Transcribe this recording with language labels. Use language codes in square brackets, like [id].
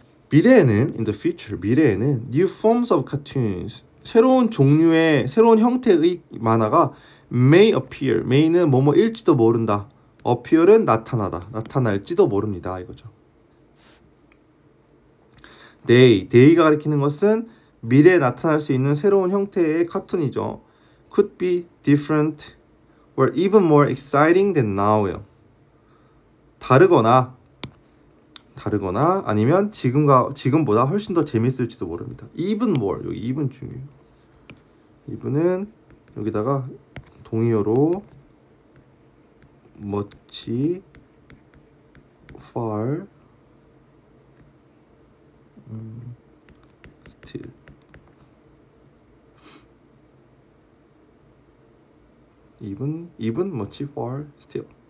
[ko] 미래에는, [en] in the future, [ko] 미래에는 [en] new forms of cartoons, [ko] 새로운 종류의, 새로운 형태의 만화가 [en] may appear, [ko] may는 뭐뭐일지도 모른다, appear은 나타나다, 나타날지도 모릅니다, 이거죠. day, day가 가리키는 것은 미래에 나타날 수 있는 새로운 형태의 카툰이죠. [en] could be different or even more exciting than now요. [ko] 다르거나 아니면 지금보다 훨씬 더 재밌을지도 모릅니다. [en] even more, [ko] 여기 [en] even [ko] 중요해요. [en] even은 [ko] 여기다가 동의어로 [en] much far still even much far still.